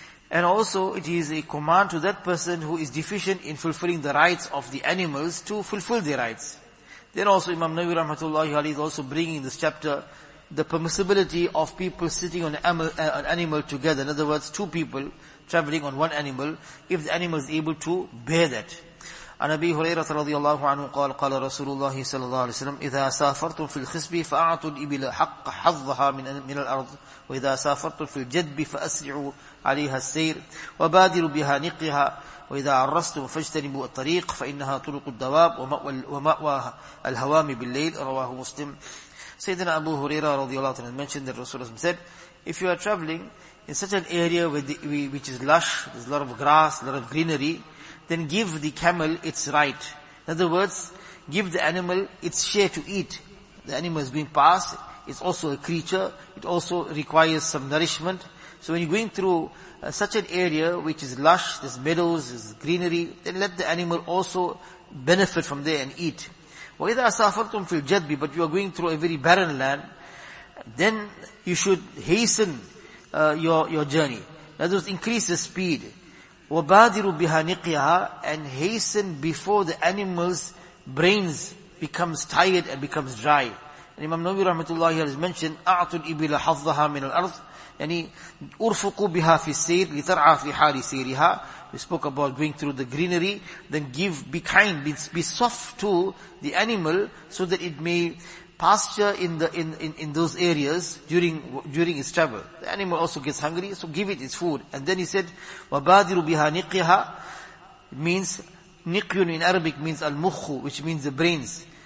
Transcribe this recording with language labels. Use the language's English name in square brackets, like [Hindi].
[English] And also it is a command to that person who is deficient in fulfilling the rights of the animals to fulfill their rights. Then also Imam Nawawi rahmatullahi alayhi is also bringing in this chapter the permissibility of people sitting on an animal together. In other words, two people traveling on one animal, if the animal is able to bear that. [Arabic] An Abi Hurairah radiyallahu anhu qala Rasulullah sallallahu alayhi wasallam, إِذَا سَافَرْتُمْ فِي الْخِسْبِ فَأَعْطُوا الْإِبِلَ حَقَّ حَظَّهَا مِنَ الْأَرْضِ وَإِذَا سَافَرْتُمْ فِي الْجَدْبِ فَأَسْرِعُوا عَلَيْهَا السَّيْرِ وَبَادِرُوا بِهَا نِقِّهَا وَإِذَا عَرَّسْتُمْ فَاجْتَنِبُوا الطَّرِيقِ فَإِنَّهَا طُرُقُ الدَّوَابِ وَمَأْوَى الْهَوَامِ بِاللَّيْلِ رَوَاهُ مُسْلِمْ. [English] Sayyidina Abu Huraira radiyallahu anhu mentioned that Rasulullah said, if you are traveling in such an area which is lush, there's a lot of grass, a lot of greenery, then give the camel its right. In other words, give the animal its share to eat. The animal is being passed, it's also a creature, it also requires some nourishment. So when you're going through such an area which is lush, there's meadows, there's greenery, then let the animal also benefit from there and eat. [Arabic] وَإِذَا أَسَافَرْتُمْ فِي الْجَدْبِ, [English] but you are going through a very barren land, then you should hasten your journey. In other words, increase the speed. [Arabic] وَبَادِرُوا بِهَا نِقِيَهَا, [English] and hasten before the animal's brains becomes tired and becomes dry. And Imam Nawawi rahmatullahi has mentioned, [Arabic] أَعْتُوا الْإِبِلَ حَظَّهَا مِنَ الْأَرْضِ, yani, أُرْفُقُوا بِهَا فِي السَّيْرِ لِتَرْعَى فِي حَالِ سَيْرِهَا. [English] We spoke about going through the greenery, then give, be kind, be soft to the animal so that it may pasture in those areas during its travel. The animal also gets hungry, so give it its food. And then he said, [Arabic] وَبَادِرُ بِهَا نِقِّهَا, [English] means, نِقْيٌ in Arabic means al-mukhu, which means the brains.